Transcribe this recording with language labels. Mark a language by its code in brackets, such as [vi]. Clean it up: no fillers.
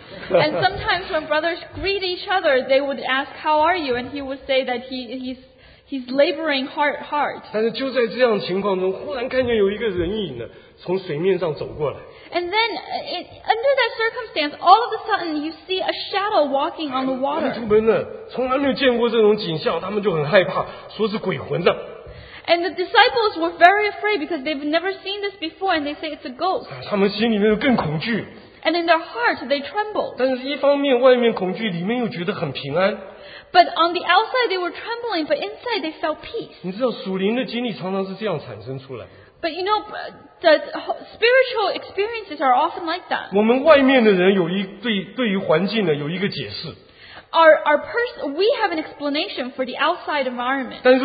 [en] And sometimes when brothers greet each other, they would ask, how are you? And he would say that he's laboring hard. [zh] 但是就在这样情况中,忽然看见有一个人影从水面上走过来。 [en] And then, under that circumstance, all of a sudden, you see a shadow walking on the water. [zh] 门徒们呢,从来没有见过这种景象,他们就很害怕,说是鬼魂的。 [en] And the disciples were very afraid because they've never seen this before and they say it's a ghost. [zh] 他们心里面更恐惧。 [en] And in their heart, they trembled. [zh] 但是一方面外面恐惧,里面又觉得很平安。 [en] But on the outside, they were trembling, but inside, they felt peace. [zh] 你知道,属灵的经历常常是这样产生出来。 [en] But you know, the spiritual experiences are often like that. [zh] 我们外面的人有一对于环境的有一个解释。 [en] We have an explanation for the outside environment.